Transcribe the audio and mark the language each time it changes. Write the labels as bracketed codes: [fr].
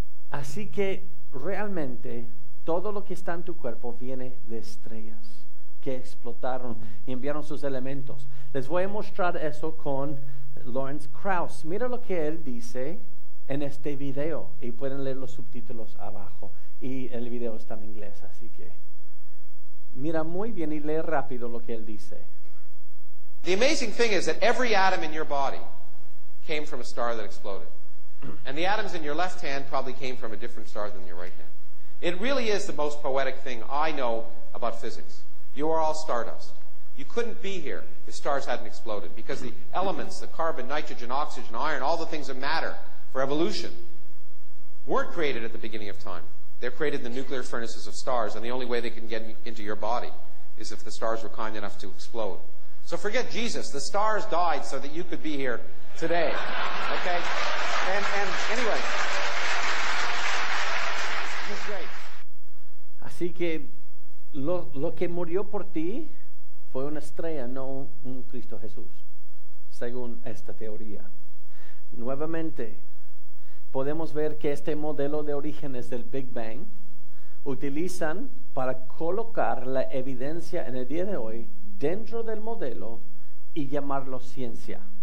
[es] Así que realmente todo lo que está en tu cuerpo viene de estrellas que explotaron y enviaron sus elementos. Les voy a mostrar eso con Lawrence Krauss. Mira lo que él dice en este video, y pueden leer los subtítulos abajo, y el video está en inglés, así que mira muy bien y lee rápido lo que él dice. [en] The amazing thing is that every atom in your body came from a star that exploded, and the atoms in your left hand probably came from a different star than your right hand. It really is the most poetic thing I know about physics. You are all stardust. You couldn't be here if stars hadn't exploded, because the elements, the carbon, nitrogen, oxygen, iron, all the things that matter for evolution, weren't created at the beginning of time. They're created in the nuclear furnaces of stars, and the only way they can get into your body is if the stars were kind enough to explode. So forget Jesus. The stars died so that you could be here today. Okay? And anyway, this is great. [es] Así que lo que murió por ti fue una estrella, no un Cristo Jesús, según esta teoría. Nuevamente, podemos ver que este modelo de orígenes del Big Bang utilizan para colocar la evidencia en el día de hoy dentro del modelo y llamarlo ciencia.